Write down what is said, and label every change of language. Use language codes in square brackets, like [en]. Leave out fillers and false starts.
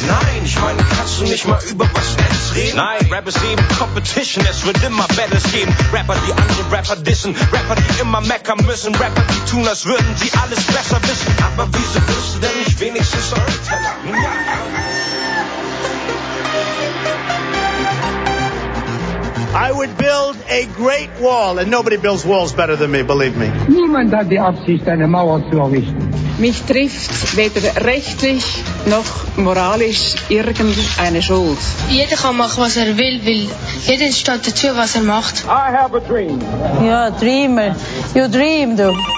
[de] Nein, ich meine, kannst du nicht mal über was Nettes reden? Nein, Rap ist eben Competition, es wird immer Battles geben. Rapper, die andere Rapper dissen, Rapper, die immer meckern müssen, Rapper, die tun, als würden sie alles besser wissen. Aber wieso wirst du denn nicht wenigstens eure [en] I would build a great wall, and nobody builds walls better than me, believe me. [de] Niemand hat die Absicht, eine Mauer zu errichten. Mich trifft weder rechtlich noch moralisch irgendeine Schuld. Jeder kann machen, was er will, weil jeder steht dazu, was er macht. [en] I have a dream. Ja, dreamer. You dream, du.